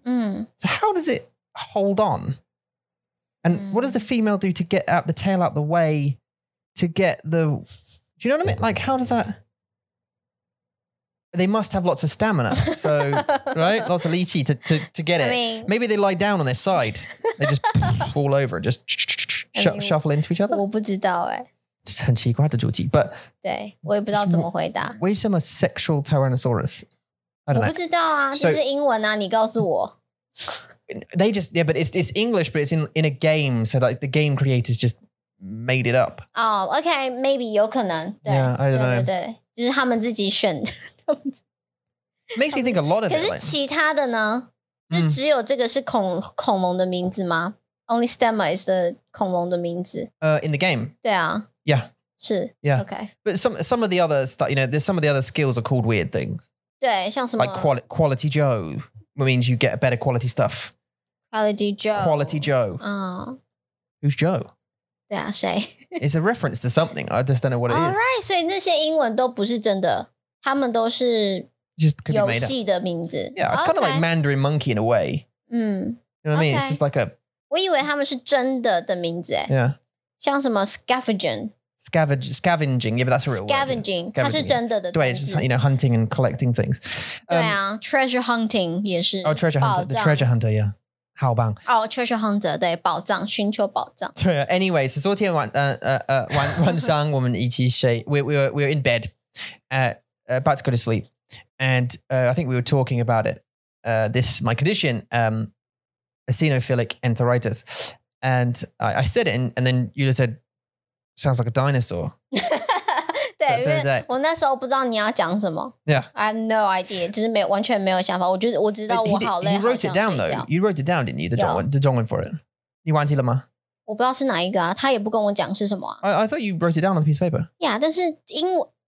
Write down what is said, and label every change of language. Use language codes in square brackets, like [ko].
[en] So how does it hold on? And what does the female do to get out the tail out the way to get the... Do you know what I mean? Like, how does that... They must have lots of stamina, so, right? Lots of lychee to get it. I mean, maybe they lie down on their side. They just fall over, just shuffle into each other. [zh] 我不知道耶。是很奇怪的主题, but... 对,我也不知道怎么回答。为什么 [en] sexual tyrannosaurus? I don't know. [zh] 我不知道啊,这是英文啊,你告诉我。 [en] They just, yeah, but it's English, but it's in a game, so like the game creators just made it up. Oh, okay, maybe, [zh] 有可能。 [en] Yeah, I don't know. [zh] 对,就是他们自己选的。 [en] Makes me think a lot of it. [zh] 可是其他的呢？就只有这个是恐龙的名字吗？ [en] Only stamina is the [zh] 恐龙的名字。 [en] In the game. [zh] 对啊。 [en] Yeah. [zh] 是。 [en] Yeah. Okay. But some of the other stuff, you know, there's some of the other skills are called weird things. [zh] 对，像什么 [en] ？Like quality Joe means you get a better quality stuff. Quality Joe. 嗯。Who's Joe？ [zh] 对啊，谁 [en] ？It's a reference to something. I just don't know what it is. All right. [zh] 所以那些英文都不是真的。他们都是游戏的名字。 [en] Yeah, it's kind of like Mandarin Monkey in a way. You know what I mean? It's just like a... [zh] 我以为他们是真的的名字。 [en] Yeah. [zh] 像什么 scavenging. [en] Scavenging, yeah, but that's a real scavenging, word. [zh] Scavenging, 它是真的的东西。对, [en] it's just, you know, hunting and collecting things. [zh] 对啊, [en] treasure hunting [zh] 也是。 [en] Oh, treasure hunter, the treasure hunter, yeah. [zh] 好棒 [en] Oh, treasure hunter, [zh] 对,宝藏,寻求宝藏。对啊, [en] anyway, [zh] 昨天晚上我们一起睡, [en] we were in bed about to go to sleep. And I think we were talking about it. My condition, eosinophilic enteritis. And I said it, and then Yula said, sounds like a dinosaur. [zh] 对, so, 因为我那时候不知道你要讲什么。 [en] Yeah. I have no idea. [zh] 就是没有完全没有想法。我知道我好累。 [en] You wrote it down, though. You wrote it down, didn't you? The Dongwen for it. [zh] 你忘记了吗? 我不知道是哪一个啊。他也不跟我讲是什么啊。 [en] I thought you wrote it down on a piece of paper. Yeah, [zh] 但是英文。